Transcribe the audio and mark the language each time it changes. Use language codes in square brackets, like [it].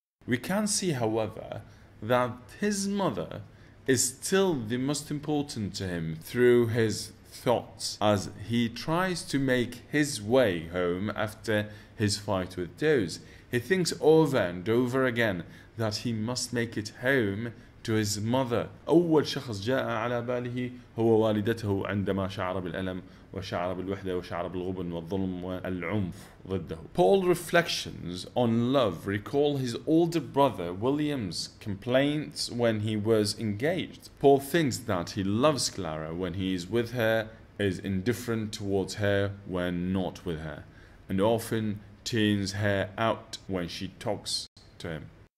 [en] We can see, however, that his mother is still the most important to him through his thoughts as he tries to make his way home after his fight with Does. He thinks over and over again that he must make it home to his mother. [ar] أول شخص جاء على باله هو والدته عندما شعر بالألم وشعر بالوحدة وشعر بالغبن والظلم والعنف ضده. [en] Paul's reflections on love recall his older brother William's complaints when he was engaged. Paul thinks that he loves Clara when he is with her, is indifferent towards her when not with her. and often tears her out when she talks to him.